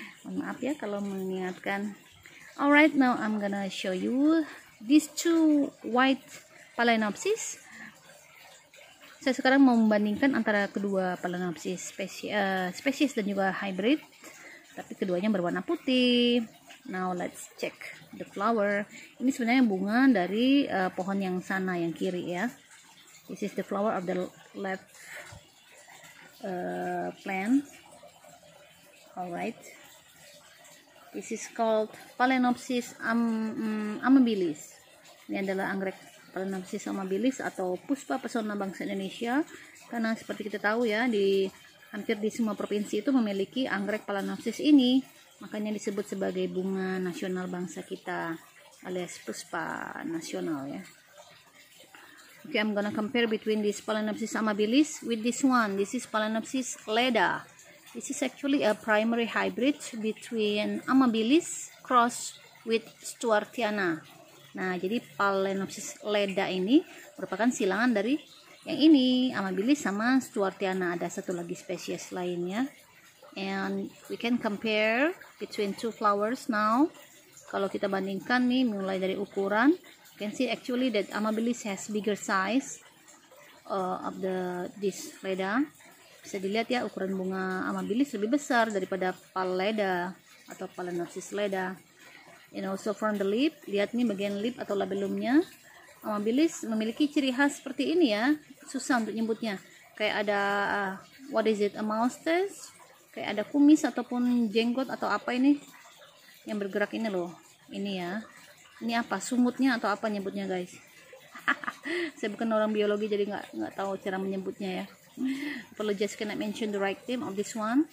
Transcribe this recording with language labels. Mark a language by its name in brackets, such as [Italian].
[Indonesian] Maaf ya kalau mengingatkan. [English] Alright, now I'm gonna show you these two white phalaenopsis. [Indonesian] Saya sekarang mau membandingkan antara kedua phalaenopsis spesies dan juga hybrid, tapi keduanya berwarna putih. [English] Now let's check the flower. [Indonesian] Ini sebenarnya bunga dari pohon yang sana, yang kiri ya. [English] This is the flower of the left plant. Alright. This is called Phalaenopsis amabilis. [Indonesian] Ini adalah anggrek Phalaenopsis amabilis atau Puspa Pesona Bangsa Indonesia. Karena seperti kita tahu ya, di hampir di semua provinsi itu memiliki anggrek Phalaenopsis ini. Makanya disebut sebagai bunga nasional bangsa kita alias puspa nasional ya. [English] Okay, I'm gonna compare between this Phalaenopsis amabilis with this one. This is Phalaenopsis leda. This is actually a primary hybrid between amabilis cross with stuartiana. [Indonesian] Nah, jadi Phalaenopsis leda ini merupakan silangan dari yang ini, amabilis sama stuartiana. Ada satu lagi spesies lainnya. [English] And we can compare between two flowers now. [Indonesian] Kalau kita bandingkan nih, mulai dari ukuran, [English] you can see actually that amabilis has bigger size of the this leda. [Indonesian] Bisa dilihat ya, ukuran bunga amabilis lebih besar daripada paleda atau Phalaenopsis leda. And also from the lip, lihat nih bagian lip atau labelumnya, amabilis memiliki ciri khas seperti ini ya, susah untuk nyebutnya, kayak ada [English] what is it, a mouth test, [Indonesian] kayak ada kumis ataupun jenggot atau apa ini yang bergerak ini loh, ini ya, ini apa, sungutnya atau apa nyebutnya guys. Saya bukan orang biologi jadi nggak tahu cara menyebutnya ya. Perlu [English] just cannot mention the right name of this one.